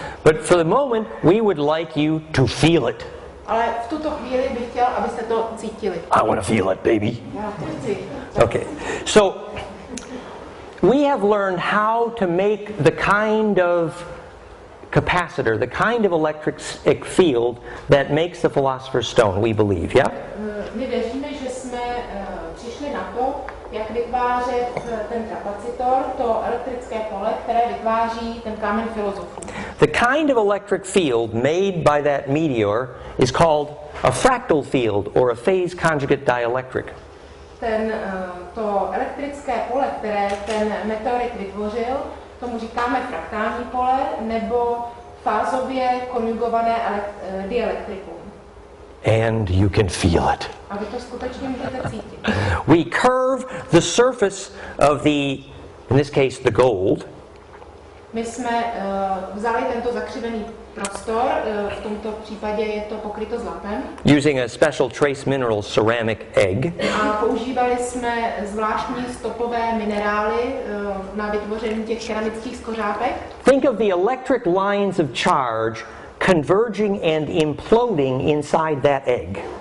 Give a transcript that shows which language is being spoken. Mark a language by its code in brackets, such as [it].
[en] But for the moment, we would like you to feel it. [cs] Ale v tuto chvíli bych chtěl, abyste to cítili. [en] I want to feel it, baby. [cs] Já to chci. [en] Okay. So, we have learned how to make the kind of capacitor, the kind of electric field that makes the philosopher's stone, we believe, yeah? [cs] My věříme, že jsme přišli na to, jak vytvářet ten kapacitor, to elektrické pole, které vytváří ten kámen filozofů. [en] The kind of electric field made by that meteor is called a fractal field or a phase conjugate dielectric. [cs] Ten to elektrické pole, které ten meteorit vytvořil, tomu říkáme fraktální pole nebo fázově konjugované dielektrikum. [en] And you can feel it. [cs] A vy to skutečně můžete cítit. [en] We curve the surface of the, in this case, the gold. [cs] My jsme vzali tento zakřivený prostor, v tomto případě je to pokryto zlatem. [en] Using a special trace mineral ceramic egg. [cs] A používali jsme zvláštní stopové minerály na vytvoření těch keramických skořápek. [en] Think of the electric lines of charge converging and imploding inside that egg.